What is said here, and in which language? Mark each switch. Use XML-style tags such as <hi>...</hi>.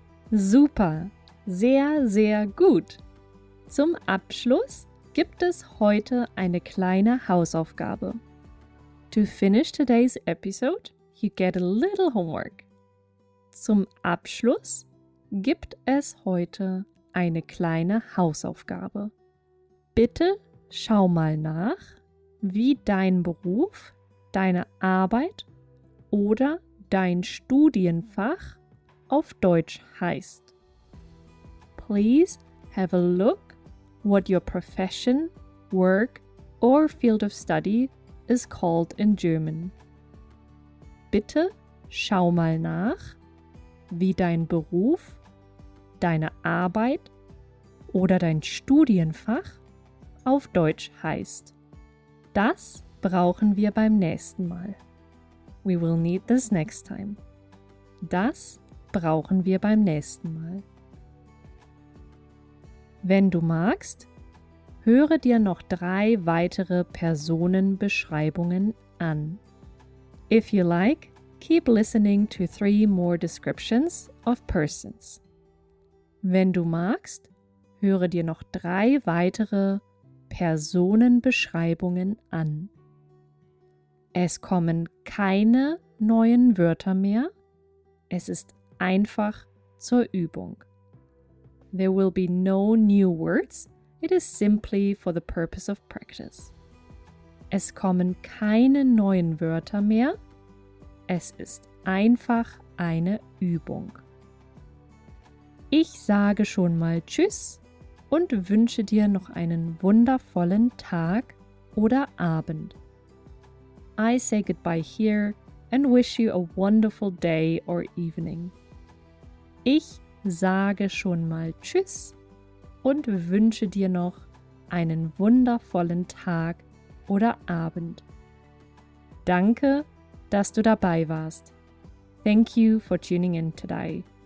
<de>Super, sehr, sehr gut. Zum Abschluss gibt es heute eine kleine Hausaufgabe.</de> <en>To finish today's episode, you get a little homework.</en> <de>Zum Abschluss gibt es heute eine kleine Hausaufgabe. Bitte schau mal nach, wie dein Beruf, deine Arbeit oder dein Studienfach auf Deutsch heißt.</de> <en>Please have a look what your profession, work or field of study is called in German.</en> <de>Bitte schau mal nach, wie dein Beruf, deine Arbeit oder dein Studienfach auf Deutsch heißt. Das brauchen wir beim nächsten Mal.</de> <en>We will need this next time.</en> <de>Das brauchen wir beim nächsten Mal. Wenn du magst, höre dir noch 3 weitere Personenbeschreibungen an.</de> <en>If you like, keep listening to 3 more descriptions of persons.</en> <de>Wenn du magst, höre dir noch 3 weitere Personenbeschreibungen an. Es kommen keine neuen Wörter mehr. Es ist einfach zur Übung.</de> <en>There will be no new words. It is simply for the purpose of practice.</en> <de>Es kommen keine neuen Wörter mehr. Es ist einfach eine Übung. Ich sage schon mal Tschüss und wünsche dir noch einen wundervollen Tag oder Abend.</de> <en>I say goodbye here and wish you a wonderful day or evening.</en> <de>Ich sage schon mal Tschüss und wünsche dir noch einen wundervollen Tag oder Abend. Danke, dass du dabei warst.</de> <en>Thank you for tuning in today.</en>